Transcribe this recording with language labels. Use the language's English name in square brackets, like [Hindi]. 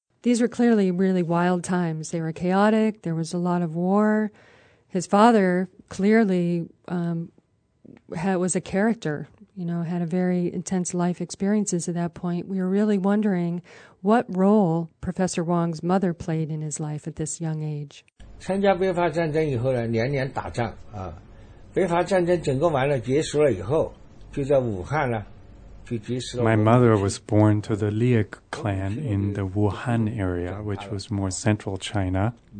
[English] These were clearly really wild times. They were chaotic. There was a lot of war. His father clearly was a character you know, had a very intense life experiences at that point, we were really wondering what role Professor Wang's mother played in his life at this young age. [Chinese] 参加非法战争以后呢，年年打仗啊。非法战争整个完了结束了以后，就在武汉呢，就结束了。 [English] My mother was born to the Liu clan in the Wuhan area, which was more central China.